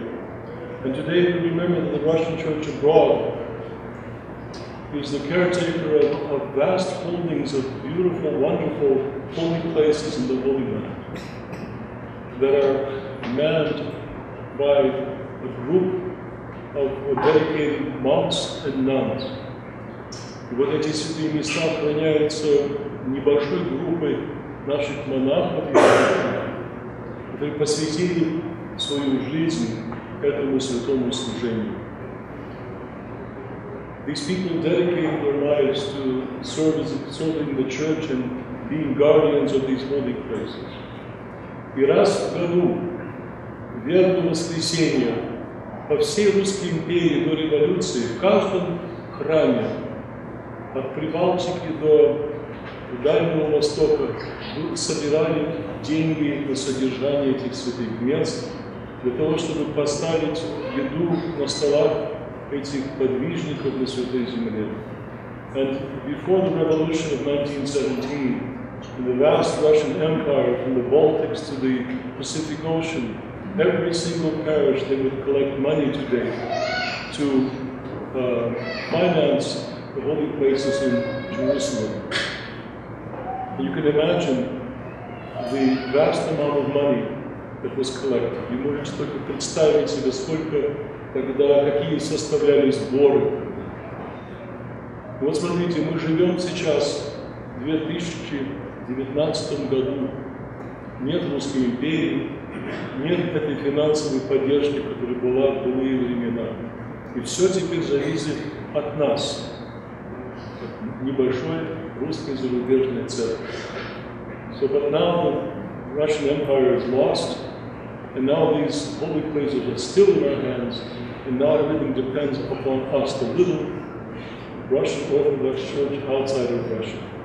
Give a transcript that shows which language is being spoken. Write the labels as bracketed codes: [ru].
[en] And today we remember that the Russian Church abroad is the caretaker of vast holdings of beautiful, wonderful holy places in the Holy Land that are manned by a group of dedicated monks and nuns. [ru] И вот эти святые места охраняются небольшой группой наших монахов, которые посвятили свою жизнь этому святому служению. [en] These people dedicate their lives to serving the church and being guardians of these holy places. [ru] И раз в году, в Верное Воскресенье, по всей Русской империи до революции, в каждом храме, от Прибалтики до Дальнего Востока, собирали деньги на содержание этих святых мест, для того, чтобы поставить еду на столах этих подвижников на святой земле. [en] And before the revolution of 1917, in the vast Russian Empire, from the Baltics to the Pacific Ocean, every single parish, they would collect money today to finance the holy places in Jerusalem. And you can imagine the vast amount of money that was collected. [ru] You можете только представить себе, сколько тогда, какие составлялись сборы. Вот смотрите, мы живем сейчас в 2019 году. Нет Русской империи, нет этой финансовой поддержки, которая была в былые времена. И все теперь зависит от нас, от небольшой русской зарубежной церкви. [en] So, but now the Russian Empire is lost, and now these holy places are still in our hands, and now everything depends upon us, the little Russian Orthodox Church outside of Russia.